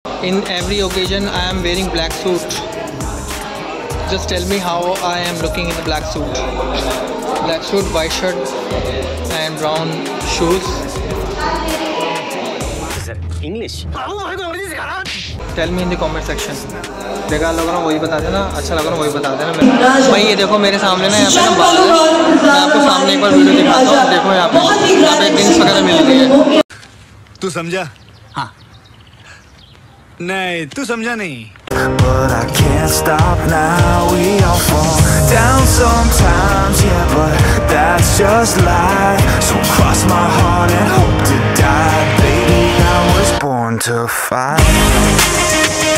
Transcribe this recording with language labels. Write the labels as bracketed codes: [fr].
[en] In every occasion I am wearing black suit. Just tell me how I am looking in the black suit. Black suit, white shirt and brown shoes. Sir, English? Tell me in the comment section. [hi] देखा लोग ना वही बता देना, अच्छा लोग ना वही बता देना। भाई ये देखो मेरे सामने ना, यहाँ पे ना बाल, मैं आपको सामने एक बार वीडियो दिखाता हूँ, देखो यहाँ पे पिंस वगैरह मिल गई है। तू समझा? हाँ। नहीं तू समझा नहीं। [en] But I can't stop now, we all fall down sometimes, yeah, but that's just life. So cross my heart and hope to die, baby, I was born to fight.